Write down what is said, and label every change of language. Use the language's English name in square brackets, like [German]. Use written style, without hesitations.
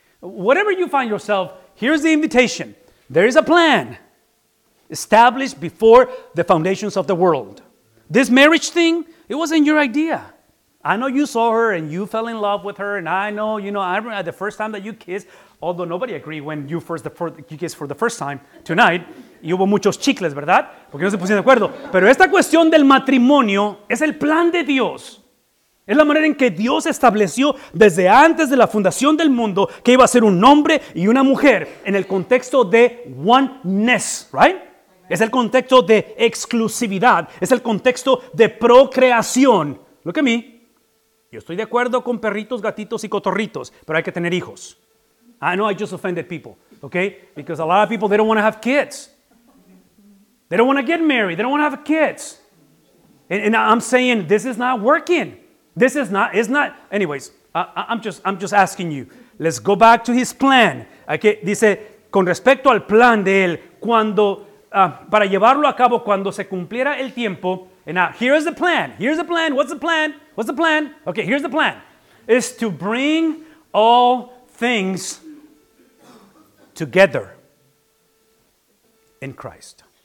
[English] Whatever you find yourself, here's the invitation. There is a plan established before the foundations of the world. This marriage thing, it wasn't your idea. I know you saw her and you fell in love with her, and I know, you know, I remember the first time that you kissed, although nobody agreed when you first you kissed for the first time tonight, [Spanish] y hubo muchos chicles, ¿verdad? Porque no se pusieron de acuerdo. Pero esta cuestión del matrimonio es el plan de Dios. Es la manera en que Dios estableció desde antes de la fundación del mundo que iba a ser un hombre y una mujer en el contexto de oneness, ¿right? Es el contexto de exclusividad. Es el contexto de procreación. [English] Look at me. [Spanish] Yo estoy de acuerdo con perritos, gatitos y cotorritos, pero hay que tener hijos. [English] I know I just offended people, okay? Because a lot of people, they don't want to have kids. They don't want to get married. They don't want to have kids. And I'm saying, this is not working. This is not, it's not. Anyways, I'm just asking you. Let's go back to his plan. Okay? [Spanish] Dice, con respecto al plan de él, cuando, para llevarlo a cabo cuando se cumpliera el tiempo. [English] And now, here's the plan. Here's the plan. What's the plan? What's the plan? Okay, here's the plan. It's to bring all things together in Christ.